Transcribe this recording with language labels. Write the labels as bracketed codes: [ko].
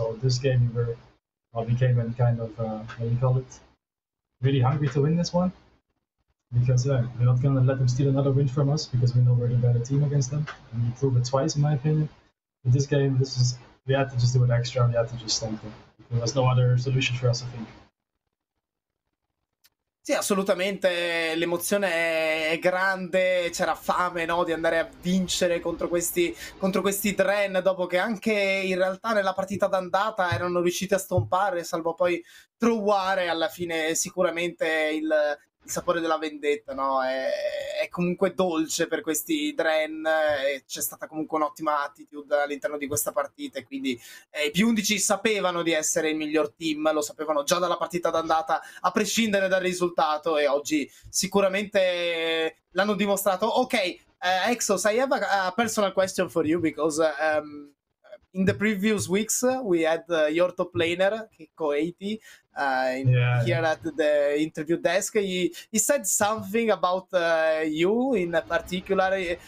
[en] So this game we came in really hungry to win this one, because we're not going to let them steal another win from us, because we know we're the better team against them, and we proved it twice in my opinion. But this game, we had to just do it extra, we had to just stomp them. There was no other solution for us, I think. [it] Sì, assolutamente, l'emozione è grande, c'era fame, no, di andare a vincere contro questi Draen, dopo che anche in realtà nella partita d'andata erano riusciti a stompare, salvo poi trovare alla fine sicuramente il sapore della vendetta, no? È comunque dolce per questi Draen, c'è stata comunque un'ottima attitude all'interno di questa partita, e quindi i P11 sapevano di essere il miglior team, lo sapevano già dalla partita d'andata, a prescindere dal risultato, e oggi sicuramente l'hanno dimostrato. [en] Ok, Exos, I have a personal question for you, because in the previous weeks we had your top laner, Checco 80, here at the interview desk. He said something about you in particular.